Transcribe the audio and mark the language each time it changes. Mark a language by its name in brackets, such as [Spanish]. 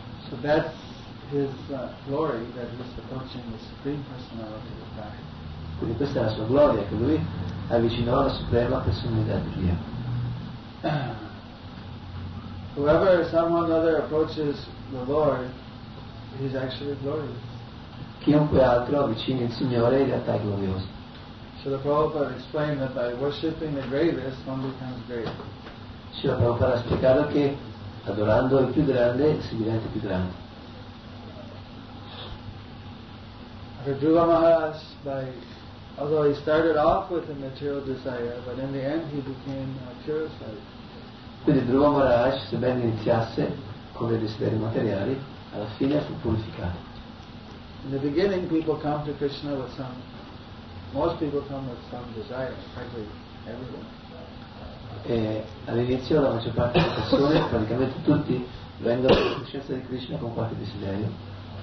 [English] So that's his glory, that he's approaching the Supreme Personality of God. [Italian] Quindi questa è la sua gloria, che lui avvicinò la suprema personalità di Dio. [English] Whoever someone other approaches the Lord, he's actually glorious. [Italian] Chiunque altro avvicini il Signore, in realtà è glorioso. [English] So the Prabhupada explained that by worshipping the greatest, one becomes great. [Italian] Sì, la Prabhupada ha spiegato che adorando il più grande si diventa più grande. [English] Arjuna Maharaj, by although he started off with a material desire, but in the end he became purified. [Italian] Quindi Dhruva Maharaj, sebbene iniziasse con dei desideri materiali, alla fine fu purificato. [English] In the beginning people come to Krishna with some, most people come with some desire, practically everyone. [Italian] E all'inizio la maggior parte delle persone, praticamente tutti, vengono alla coscienza di Krishna con qualche desiderio.